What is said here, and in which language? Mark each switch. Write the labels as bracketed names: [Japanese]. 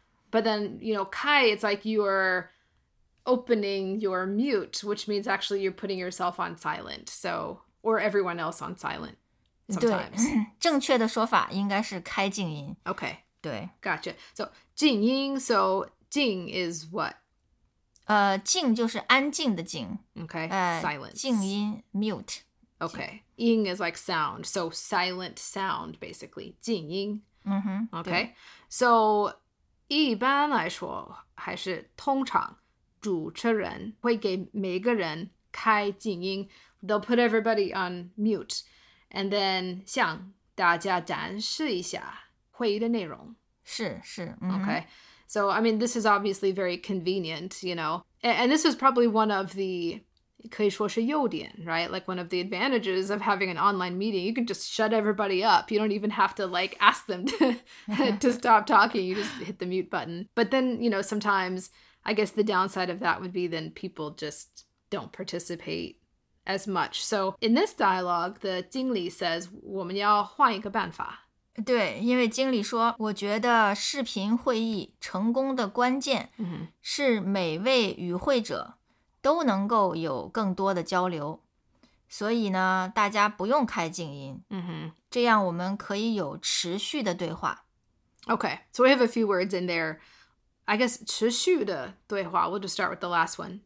[English] But then, you know, kai, it's like you're opening your mute, which means actually you're putting yourself on silent, so or everyone else on silent sometimes. [Chinese] 对，正确的说法应该是开静音。 [English] Okay, [Chinese] 对， [English] gotcha. So 静音， so 静 is what? [Chinese] 静就是安静的静。 [English] Okay, silence. [Chinese] 静音 mute. [English] Okay. 音 is like sound. So silent sound, basically. 静音。 Mm-hmm. Okay. So [Chinese] 一般来说还是通常主持人会给每个人开静音。 [English] They'll put everybody on mute. And then [Chinese] 向大家展示一下会议的内容。是是、 [English] mm-hmm. Okay. So, I mean, this is obviously very convenient, you know. And this is probably one of the... [Chinese] 可以说是优点, [English] right? Like one of the advantages of having an online meeting, you can just shut everybody up. You don't even have to like ask them to, to stop talking. You just hit the mute button. But then, you know, sometimes I guess the downside of that would be then people just don't participate as much. So in this dialogue, the 经理 says, [Chinese] 我们要换一个办法。对，因为经理说，我觉得视频会议成功的关键是每位与会者都能够有更多的交流，所以呢，大家不用开静音，这样我们可以有持续的对话。 [English] Okay, so we have a few words in there. I guess 持续的对话, we'll just start with the last one.